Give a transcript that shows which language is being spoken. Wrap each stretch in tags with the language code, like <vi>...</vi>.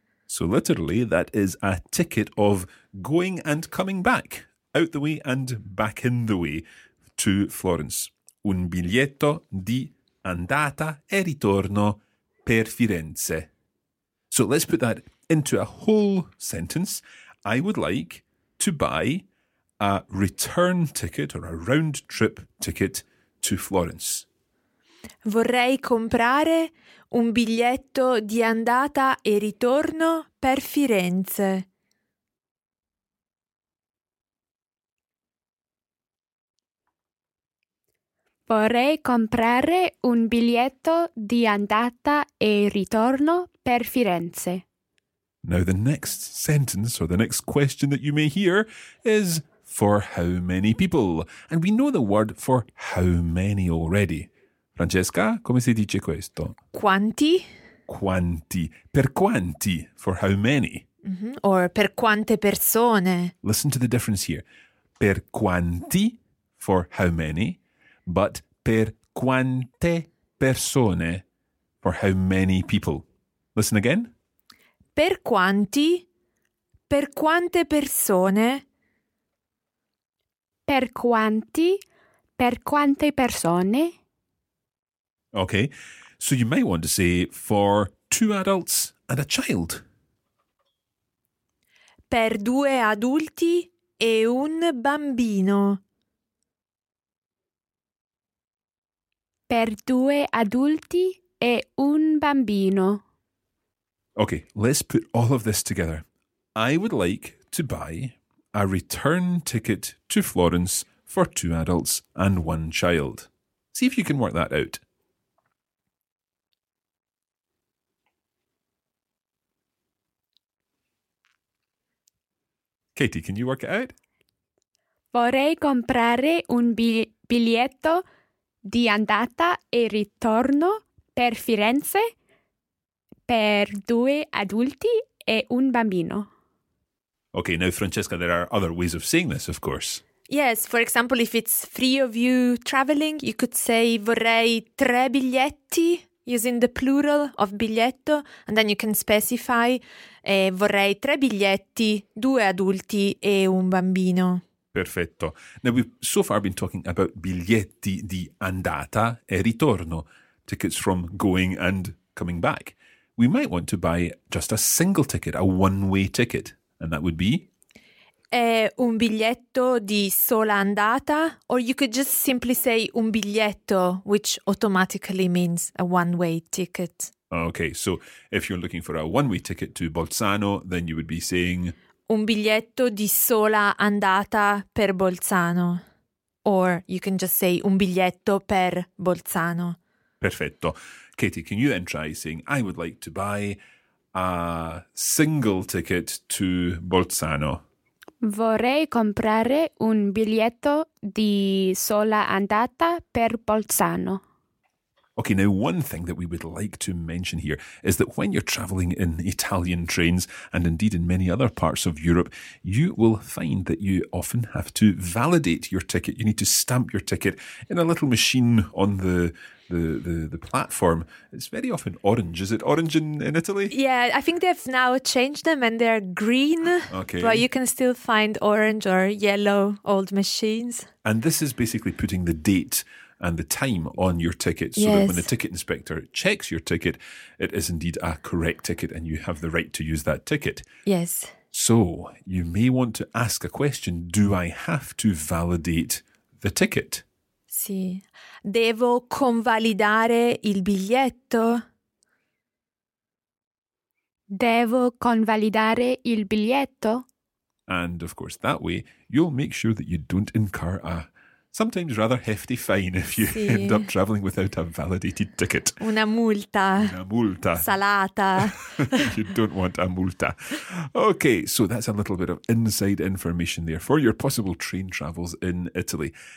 <en>So literally, that is a ticket of going and coming back, out the way and back in the way to Florence.</en> <it>Un biglietto di andata e ritorno per Firenze.</it> <en>So let's put that into a whole sentence. I would like to buy a return ticket or a round trip ticket to Florence.</en> <it>Vorrei comprare un biglietto di andata e ritorno per Firenze. Vorrei comprare un biglietto di andata e ritorno per Firenze.</it> <en>Now the next sentence or the next question that you may hear is for how many people? And we know the word for how many already.</en> <it>Francesca, come si dice questo? Quanti? Quanti. Per quanti?</it> <en>For how many?</en> <it>Mm-hmm. Or per quante persone?</it> <en>Listen to the difference here.</en> <it>Per quanti?</it> <en>For how many?</en> <it>But per quante persone?</it> <en>For how many people? Listen again.</en> <it>Per quanti? Per quante persone? Per quanti? Per quante persone?</it> <en>Okay, so you may want to say for two adults and a child.</en> <it>Per due adulti e un bambino. Per due adulti e un bambino.</it> <en>Okay, let's put all of this together. I would like to buy a return ticket to Florence for two adults and one child. See if you can work that out. Katie, can you work it out?</en> <it>Vorrei comprare un biglietto di andata e ritorno per Firenze per due adulti e un bambino.</it> <en>Okay, now Francesca, there are other ways of saying this, of course. Yes, for example, if it's three of you traveling, you could say</en> <it>vorrei tre biglietti,</it> <en>using the plural of biglietto, and then you can specify</en> <it>vorrei tre biglietti, due adulti e un bambino. Perfetto.</it> <en>Now, we've so far been talking about</en> <it>biglietti di andata e ritorno,</it> <en>tickets from going and coming back. We might want to buy just a single ticket, a one-way ticket, and that would be?</en> <it>È un biglietto di sola andata,</it> <en>or you could just simply say</en> <it>un biglietto,</it> <en>which automatically means a one-way ticket. Okay, so if you're looking for a one-way ticket to Bolzano, then you would be saying?</en> <it>un biglietto di sola andata per Bolzano.</it> <en>Or you can just say</en> <it>un biglietto per Bolzano. Perfetto.</it> <en>Katie, can you then try saying I would like to buy a single ticket to Bolzano? Vorrei comprare un biglietto di sola andata per Bolzano. Okay, now one thing that we would like to mention here is that when you're traveling in Italian trains, and indeed in many other parts of Europe, you will find that you often have to validate your ticket. You need to stamp your ticket in a little machine on the platform. It's very often orange. Is it orange in Italy? Yeah, I think they've now changed them and they're green. Okay. But you can still find orange or yellow old machines. And this is basically putting the date and the time on your ticket, so yes, that when the ticket inspector checks your ticket, it is indeed a correct ticket and you have the right to use that ticket. Yes. So you may want to ask a question. Do I have to validate the ticket?</en> <it>Sì. Devo convalidare il biglietto? Devo convalidare il biglietto?</it> <en>And of course, that way, you'll make sure that you don't incur a sometimes rather hefty fine if you</en> <it>sì</it> <en>end up traveling without a validated ticket.</en> <it>Una multa. Una multa. Salata.</it> <en>You don't want a multa. Okay, so that's a little bit of inside information there for your possible train travels in Italy.</en>